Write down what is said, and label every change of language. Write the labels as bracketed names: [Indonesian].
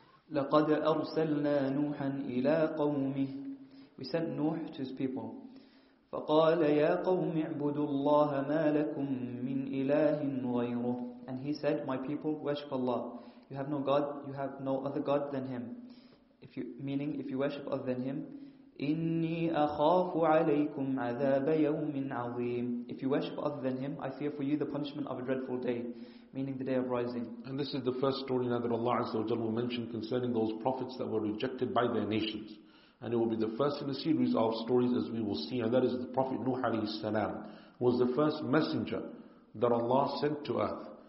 [Arabic] لَقَدْ أَرْسَلْنَا نُوحًا إِلَىٰ قَوْمِهِ. [English] We sent Nuh to his people. [Arabic] فَقَالَ يَا قَوْمِ اعْبُدُوا اللَّهَ مَا لَكُمْ مِنْ إِلَٰهٍ غَيْرُهُ. [English] And he said, my people, worship Allah. You have no God, you have no other God than him. If you, meaning, if you worship other than him, [Arabic] إني أخاف عليكم عذاب يوم عظيم. [English] If you worship other than him, I fear for you the punishment of a dreadful day, meaning the day of rising. And this is the first story now that Allah Azza wa Jalla will mention concerning those prophets that were rejected by their nations. And it will be the first in a series of stories as we will see, and that is the Prophet Nuh alayhi salam, who was the first messenger that Allah sent to earth.